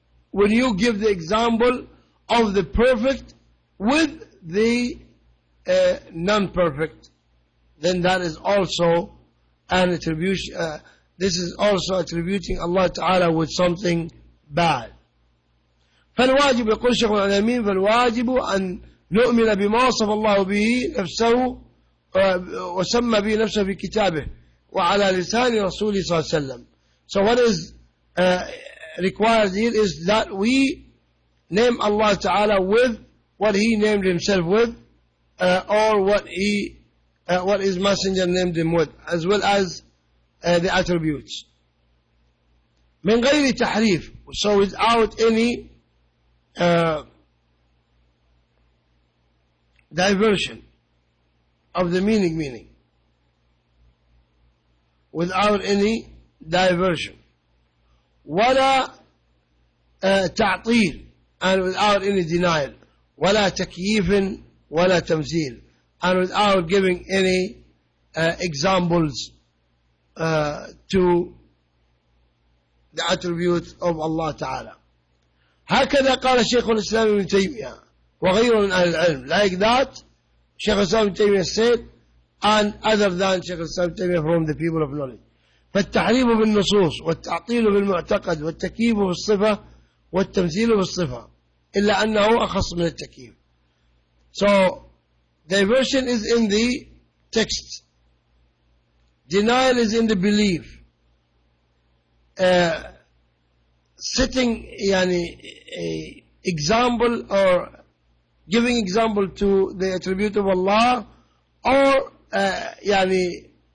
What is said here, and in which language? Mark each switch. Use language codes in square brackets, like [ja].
[en] when you give the example of the perfect with the non-perfect, then that is also an attribution. This is also attributing Allah Ta'ala with something bad. [ar] فالواجب يقول شيخ العلمين فالواجب أن نؤمن بما وصف الله به نفسه وسمى به نفسه في كتابه وعلى لسان رسوله صلى الله عليه وسلم. [en] So what is required here is that we name Allah Ta'ala with what He named Himself with, or what He, what His Messenger named Him with, as well as the attributes. [ar] من غير تحريف, [en] so without any diversion of the meaning, without any diversion. [ar] ولا تعطيل, [en] and without any denial. [ar] ولا تكييف ولا تمثيل, [en] and without giving any examples to the attributes of Allah Ta'ala. [ar] هكذا قال الشيخ الإسلام ابن تيمية, وغيره من أهل العلم [en] like that شيخ الإسلام ابن تيمية said and other than شيخ الإسلام ابن تيمية from the people of knowledge. [ar] فالتحريم بالنصوص والتعطيل بالمعتقد والتكييف بالصفة والتمثيل بالصفة إلا أنه أخص من التكييف. [en] So diversion is in the text, denial is in the belief, setting يعني example or giving example to the attribute of Allah or يعني